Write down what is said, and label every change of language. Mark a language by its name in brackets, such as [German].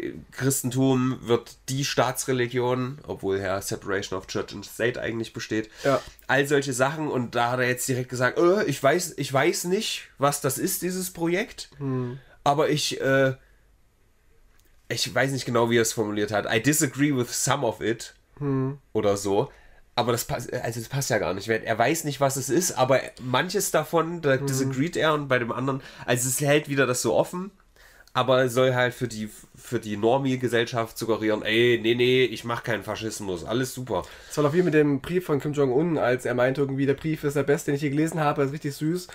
[German] Christentum wird die Staatsreligion, obwohl ja Separation of Church and State eigentlich besteht. Ja. All solche Sachen und da hat er jetzt direkt gesagt, ich weiß nicht, was das ist, dieses Projekt, aber ich weiß nicht genau, wie er es formuliert hat. [English] I disagree with some of it oder so. [German] Aber das passt ja gar nicht. Er weiß nicht, was es ist, aber manches davon, da disagreed er und bei dem anderen, also es hält wieder das so offen. Aber soll halt für die Normie-Gesellschaft suggerieren, ey, nee, ich mach keinen Faschismus, alles super. Das war doch wie mit dem Brief von Kim Jong-un, als er meinte irgendwie, der Brief ist der beste, den ich je gelesen habe, ist richtig süß.